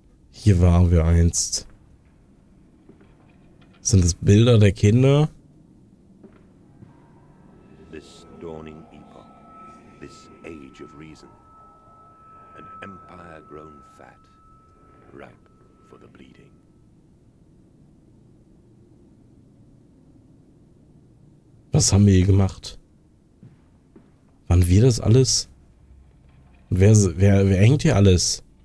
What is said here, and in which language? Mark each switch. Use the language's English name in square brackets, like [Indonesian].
[German] Hier waren wir einst. Sind es Bilder der Kinder? [English] This dawning epoch, this age of reason, an empire grown fat, ripe for the bleeding. [German] Was haben wir hier gemacht? Waren wir das alles? Wer hängt hier alles?